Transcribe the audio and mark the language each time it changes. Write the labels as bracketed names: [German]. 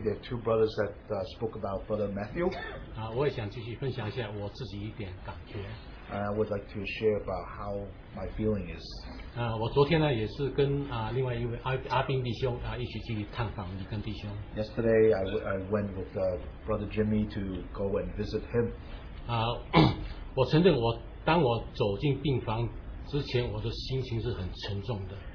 [English] there are two brothers that spoke about Brother Matthew. [Chinese] 我也想继续分享一下我自己一点感觉。 [English] I would like to share about how my feeling is. [Chinese] 我昨天呢也是跟另外一位阿兵弟兄一起去探访李根弟兄。 [English] Yesterday I went with Brother Jimmy to go and visit him. [Chinese] 我承认我当我走进病房之前，我的心情是很沉重的。